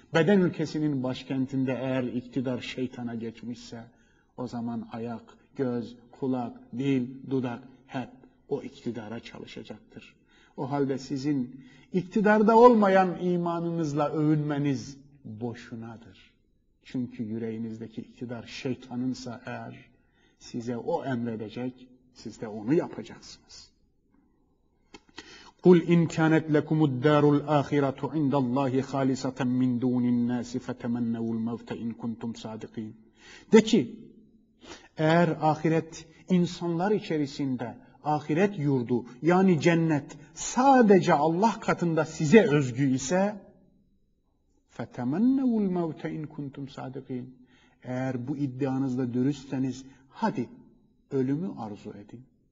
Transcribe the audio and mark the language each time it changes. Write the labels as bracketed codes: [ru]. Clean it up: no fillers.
[tr] Beden ülkesinin başkentinde eğer iktidar şeytana geçmişse, o zaman ayak, göz, kulak, dil, dudak hep o iktidara çalışacaktır. O halde sizin iktidarda olmayan imanınızla övünmeniz boşunadır. Çünkü yüreğinizdeki iktidar şeytanınsa eğer, size o emredecek, siz de onu yapacaksınız. [ar] قل إن كانت لكم الدار الآخرة عند الله خالصة من دون الناس فتمنوا الموت إن كنتم صادقين. [tr] De ki, eğer ahiret insanlar içerisinde, ahiret yurdu yani cennet sadece Allah katında size özgü ise, [ar] فَتَمَنَّوُ الْمَوْتَ اِنْ كُنْتُمْ صَادِقِينَ, [tr] eğer bu iddianızda dürüstseniz, hadi ölümü arzu edin.